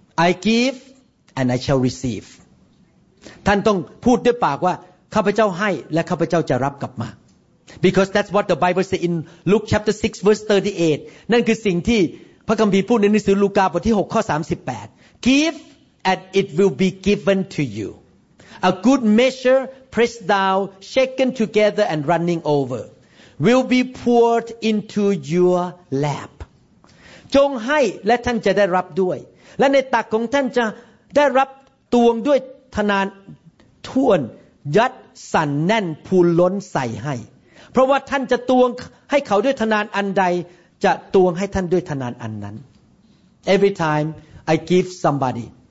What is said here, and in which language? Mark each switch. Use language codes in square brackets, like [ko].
[en] I give and I shall receive. [th] ท่านต้องพูดด้วยปากว่าข้าพเจ้าให้และข้าพเจ้าจะรับกลับมา [en] Because that's what the Bible says in Luke chapter 6 verse 38. [th] นั่นคือสิ่งที่พระคัมภีร์พูดในหนังสือลูกาบทที่6ข้อ38. [en] Give and it will be given to you. A good measure pressed down, shaken together and running over will be poured into your lap. [th] จงให้และท่านจะได้รับด้วยและในตักของท่านจะได้รับตวงด้วยธนานท่วนยัดสั่นแน่นพูนล้นใส่ให้เพราะว่าท่านจะตวงให้เขาด้วยธนานอันใดจะตวงให้ท่านด้วยธนานอันนั้น [en] Every time I give somebody